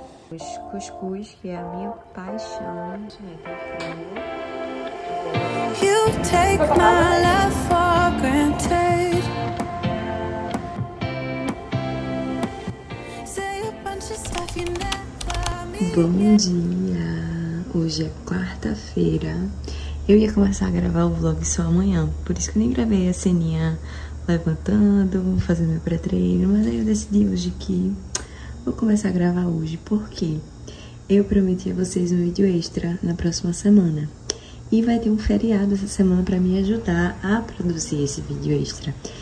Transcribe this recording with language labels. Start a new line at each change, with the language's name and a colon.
Portuguese: Os cuscuz, que é a minha paixão. Gente,
English: you take my love for granted. Say a bunch of stuff you never mean.
Portuguese: Bom dia! Hoje é quarta-feira. Eu ia começar a gravar o vlog só amanhã, por isso que eu nem gravei a ceninha levantando, fazendo meu pré-treino, mas aí eu decidi hoje que vou começar a gravar hoje, porque eu prometi a vocês um vídeo extra na próxima semana, e vai ter um feriado essa semana pra me ajudar a produzir esse vídeo extra.